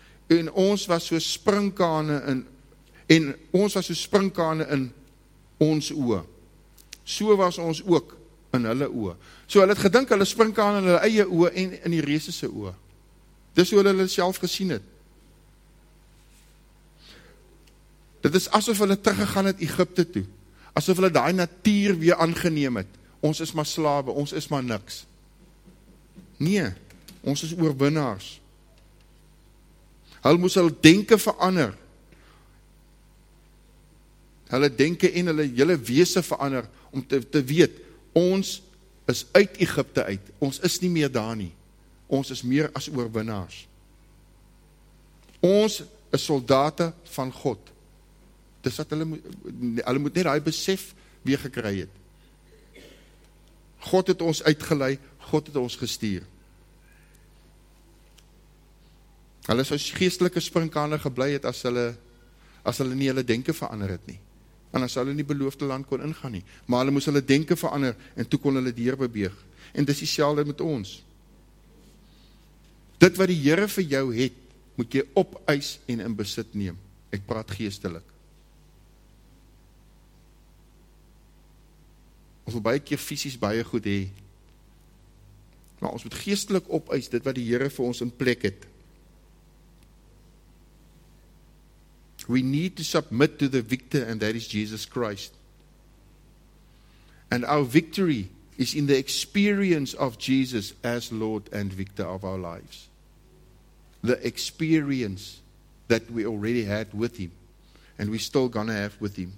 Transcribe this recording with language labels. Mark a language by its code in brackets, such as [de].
[af] En ons was so sprinkane in ons oë. So was ons ook in hulle oë. So hulle het gedink hulle sprinkane in hulle eie oë en in die reuse se oë. Dis hoe hulle hulle self gesien het. Dit is asof hulle teruggegaan het Egipte toe. Asof hulle daai natuur weer aangeneem het. Ons is maar slawe, ons is maar niks. Nee, ons is oorwinnaars. Hulle moes hulle denke verander. Hulle denke en hulle hele wese verander om te weet, ons is uit Egipte uit. Ons is nie meer daar nie. Ons is meer as oorwinnaars. Ons is soldate van God. Dis wat hulle moet net daai besef weer gekry het. God het ons uitgelei, God het ons gestuur. Hulle sou geestelike sprinkane gebly het as hulle nie hulle denke verander het nie. En as hulle nie beloofde land kon ingaan nie. Maar hulle moes hulle denke verander en toe kon hulle deur beweeg. En dis dieselfde met ons. Dit wat die Here vir jou het, moet jy opeis en in besit neem. Ek praat geestelik. Ons wil baie keer fisies baie goed hê. Maar ons moet geestelik opeis dit wat die Here vir ons in plek het. [en] We need to submit to the victor, and that is Jesus Christ. And our victory is in the experience of Jesus as Lord and victor of our lives. The experience that we already had with Him, and we're still going to have with Him.